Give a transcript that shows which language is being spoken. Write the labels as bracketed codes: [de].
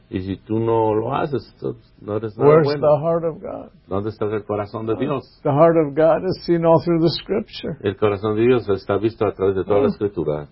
[es] Y si tú no lo haces, tú no eres nada [en] where's [es] bueno. [en] The heart of God? [es] ¿Dónde está el corazón de Dios? [en] The heart of God is seen all through the Scripture. [es] El corazón de Dios está visto a través de toda la Escritura.